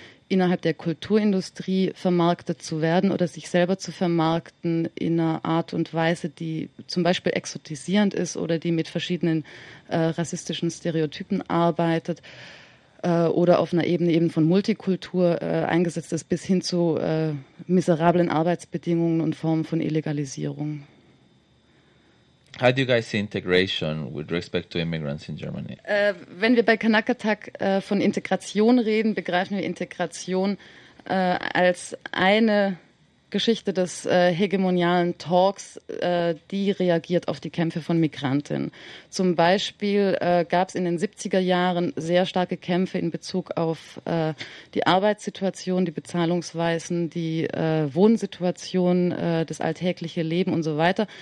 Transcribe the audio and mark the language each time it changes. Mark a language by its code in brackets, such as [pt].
[de] innerhalb der Kulturindustrie vermarktet zu werden oder sich selber zu vermarkten in einer Art und Weise, die zum Beispiel exotisierend ist oder die mit verschiedenen rassistischen Stereotypen arbeitet oder auf einer Ebene eben von Multikultur eingesetzt ist, bis hin zu miserablen Arbeitsbedingungen und Formen von Illegalisierung. [en] How do you guys see integration with respect to immigrants in Germany? [de] Wenn wir bei Kanak Attack von Integration reden, begreifen wir Integration als eine Geschichte des hegemonialen Talks, die reagiert auf die Kämpfe von Migrantinnen. Zum Beispiel gab es in den 70er Jahren sehr starke Kämpfe in Bezug auf die Arbeitssituation, die Bezahlungsweisen, die Wohnsituation, das alltägliche Leben und so weiter.